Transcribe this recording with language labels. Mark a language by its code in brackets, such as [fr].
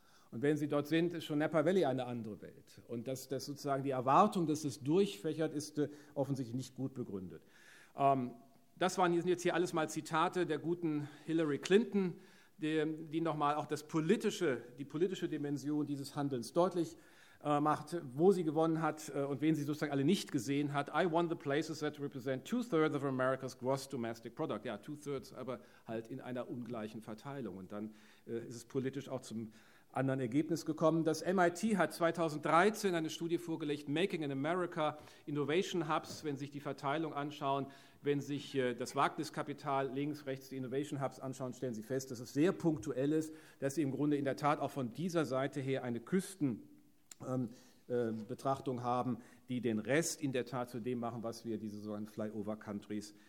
[de] Und wenn Sie dort sind, ist schon Napa Valley eine andere Welt. Und dass sozusagen die Erwartung, dass es durchfächert, ist offensichtlich nicht gut begründet. Das waren jetzt hier alles mal Zitate der guten Hillary Clinton, die nochmal auch die politische Dimension dieses Handelns deutlich macht, wo sie gewonnen hat und wen sie sozusagen alle nicht gesehen hat. [en] I won the places that represent two-thirds of America's gross domestic product. [de] Ja, two-thirds, aber halt in einer ungleichen Verteilung. Und dann ist es politisch auch zum anderen Ergebnis gekommen. Das MIT hat 2013 eine Studie vorgelegt, Making in America Innovation Hubs. Wenn Sie sich die Verteilung anschauen, wenn Sie sich das Wagniskapital links, rechts die Innovation Hubs anschauen, stellen Sie fest, dass es sehr punktuell ist, dass Sie im Grunde in der Tat auch von dieser Seite her eine Küstenbetrachtung haben, die den Rest in der Tat zu dem machen, was wir diese sogenannten Flyover Countries